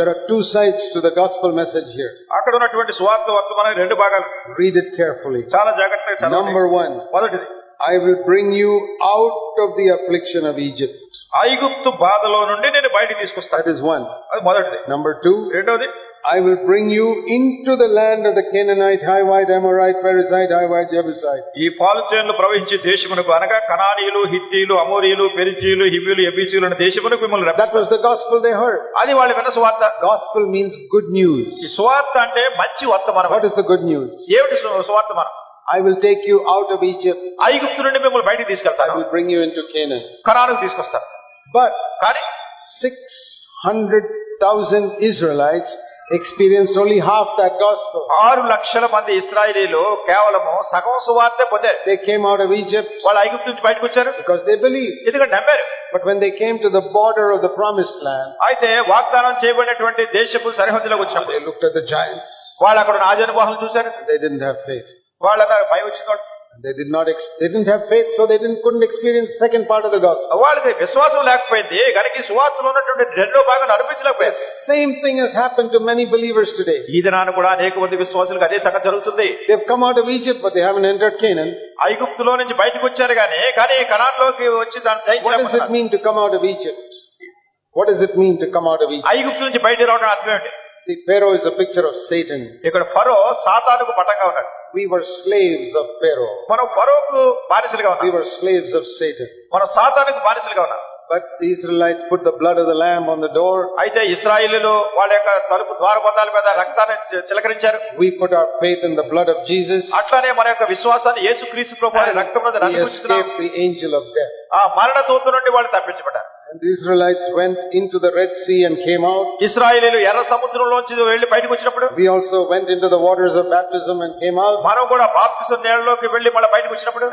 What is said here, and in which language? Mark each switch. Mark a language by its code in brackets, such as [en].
[en] There are two sides to the gospel message here. [te] అక్కడ ఉన్నటువంటి సువార్త వర్తమానం రెండు భాగాలు. [en] Read it carefully. [te] చాలా జాగ్రత్తగా చదవండి. [en] Number 1. [te] మొదటిది. [en] I will bring you out of the affliction of Egypt. [te] ఐగుప్తు బాధలో నుండి నేను బయటికి తీసుకొస్తాను. [en] That is one. [te] అది మొదటిది. [en] Number 2. [te] రెండోది. [en] I will bring you into the land of the Canaanite, Hivite, Amorite, Perizzite, Hivite, Jebusite. [te] ఈ పాలచేనులు ప్రవహించే దేశమునకు అనగా కనానీయులు, హిత్తీయులు, అమోరీయులు, పెరిజీయులు, హివ్యులు, యెబూసీయులు అనే దేశమునకు మిమ్మల్ని రప్పించాను. [en] That was the gospel they heard. [te] అది వాళ్ళు విన్న సువార్త. [en] Gospel means good news. [te] ఈ సువార్త అంటే మంచి వర్తమానం. [en] What is the good news? [te] ఏమిటి సువార్త? [en] I will take you out of Egypt. [te] ఐగుప్తు నుండి మిమ్మల్ని బయటికి తీసుకెళ్తాను. [en] I will bring you into Canaan. [te] కనానుకు తీసుకొస్తాను. [en] But [te] కానీ [en] 600,000 Israelites experienced only half that gospel. [te] 6 లక్షల మంది ఇశ్రాయేలీయులు కేవలం సగం సువార్తే పొందారు. [en] They came out of Egypt. [te] వాళ్ళు ఐగుప్తు నుంచి బయటకు వచ్చారు. [en] Because they believed. [te] ఎందుకంటే నమ్మారు. [en] But when they came to the border of the promised land. [te] అయితే వాగ్దానం చేయబడినటువంటి దేశపు సరిహద్దులోకి వచ్చారు. [en] They looked at the giants. [te] వాళ్ళు అక్కడ రాజను గుహలు చూశారు. [en] They didn't have faith. [te] వాళ్ళకి భయం వచ్చింది. [en] They did not didn't have faith, so they couldn't experience the second part of the gospel. [te] వాళ్ళకి విశ్వాసం లేకపోయింది గనికి సువార్తలో ఉన్నటువంటి రెండో భాగం అనిపించలేకపోయింది. [en] Same thing has happened to many believers today. [te] ఈ దినాన కూడా అనేక మంది విశ్వాసులకు అదే సంగతి జరుగుతుంది. [en] They've come out of Egypt but they haven't entered Canaan. [te] ఐగుప్తులో నుంచి బయటకు వచ్చారు కానీ కనానులోకి వచ్చి దాన్ని. [en] What does it mean to come out of Egypt? What does it mean to come out of Egypt? [te] ఐగుప్తు నుంచి బయటికి రావడం అర్థం ఏంటి? [en] See, Pharaoh is a picture of Satan. [te] ఇక్కడ ఫరో సాతానుకు పటంగా ఉన్నాడు. [en] We were slaves of Pharaoh. [te] మనం ఫరోకు బానిసలుగా ఉన్నాం. [en] We were slaves of Satan. [te] మనం సాతానుకు బానిసలుగా ఉన్నాం. [en] But the Israelites put the blood of the lamb on the door. [te] అయితే ఇశ్రాయేలులు వాళ్ళ యొక్క తలుపు ద్వారబంధాల మీద రక్తాన్ని చిలకరించారు. [en] We put our faith in the blood of Jesus. [te] అట్లానే మన యొక్క విశ్వాసాన్ని యేసుక్రీస్తు ప్రభువు రక్తం మీద నడిపించుకున్నాం. [en] We escaped the angel of death. [te] ఆ మరణ దూత నుండి వాళ్ళు తప్పించబడ్డారు. [en] The Israelites went into the Red Sea and came out. [te] ఇశ్రాయేలులు ఎర్ర సముద్రంలో నుంచి వెళ్లి బయటికి వచ్చినప్పుడు. [en] We also went into the waters of baptism and came out. [te] మనం కూడా బాప్తిసం నీళ్ళలోకి వెళ్లి మళ్ళీ బయటికి వచ్చినప్పుడు.